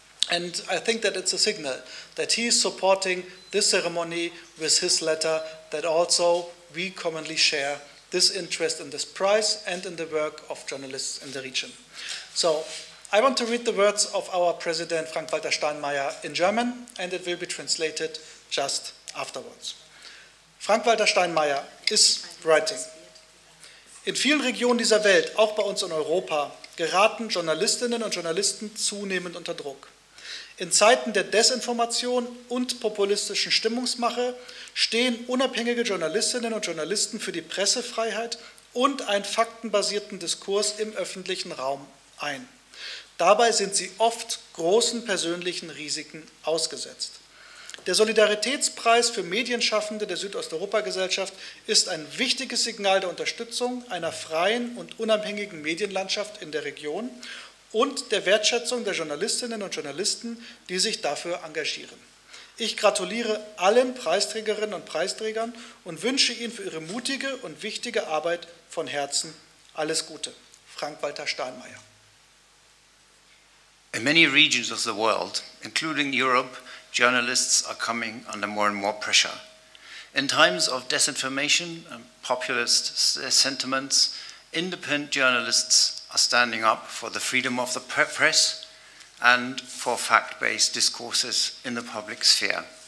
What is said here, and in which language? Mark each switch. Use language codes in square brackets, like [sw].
[en] And I think that it's a signal that he is supporting this ceremony with his letter, that also we commonly share this interest in this prize and in the work of journalists in the region. So I want to read the words of our president, Frank-Walter Steinmeier, in German, and it will be translated just afterwards. Frank-Walter Steinmeier is writing. [de] In vielen Regionen dieser Welt, auch bei uns in Europa, geraten Journalistinnen und Journalisten zunehmend unter Druck. In Zeiten der Desinformation und populistischen Stimmungsmache stehen unabhängige Journalistinnen und Journalisten für die Pressefreiheit und einen faktenbasierten Diskurs im öffentlichen Raum ein. Dabei sind sie oft großen persönlichen Risiken ausgesetzt. Der Solidaritätspreis für Medienschaffende der Südosteuropa-Gesellschaft ist ein wichtiges Signal der Unterstützung einer freien und unabhängigen Medienlandschaft in der Region und der Wertschätzung der Journalistinnen und Journalisten, die sich dafür engagieren. Ich gratuliere allen Preisträgerinnen und Preisträgern und wünsche Ihnen für Ihre mutige und wichtige Arbeit von Herzen alles Gute. Frank-Walter Steinmeier. [en] In many regions of the world, including Europe, journalists are coming under more and more pressure. In times of disinformation and populist sentiments, independent journalists are standing up for the freedom of the press and for fact-based discourses in the public sphere.